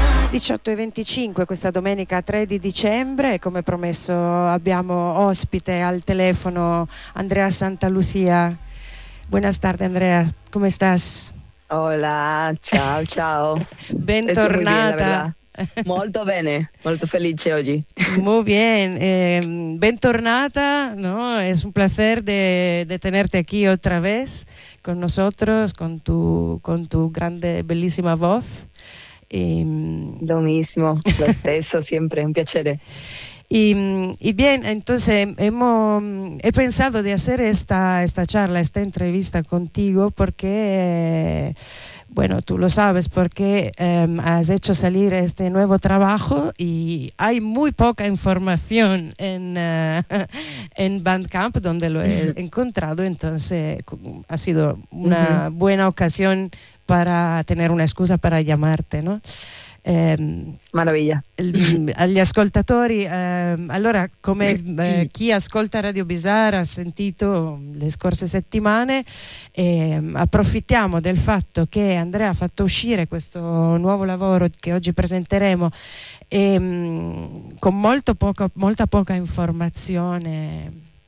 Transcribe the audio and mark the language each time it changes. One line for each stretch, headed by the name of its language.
Italian: E 25 questa domenica 3 di dicembre, come promesso abbiamo ospite al telefono Andrea Santalucía.
Spanish: Buenas tardes, Andrea,
Italian: come stai? Hola, ciao, ciao. Bentornata. Molto bene, molto felice oggi.
Spanish: Muy bien,
Italian: bentornata,
Spanish: no? Es un placer de tenerte aquí otra vez con nosotros, con tu grande, bellísima voz. Y, lo mismo,
Italian: lo stesso,
Spanish: siempre un
Italian: piacere.
Spanish: Y bien, entonces he pensado de hacer esta charla, esta entrevista contigo porque, bueno, tú lo sabes, porque has hecho salir este nuevo trabajo y hay muy poca información en Bandcamp donde lo he encontrado, entonces ha sido una buena ocasión para tener una excusa para llamarte, ¿no? Maravilla.
Italian: Agli ascoltatori, allora, come chi ascolta Radio Bizarre ha sentito le scorse settimane, approfittiamo del fatto che Andrea ha fatto uscire questo nuovo lavoro che oggi presenteremo con molta poca informazione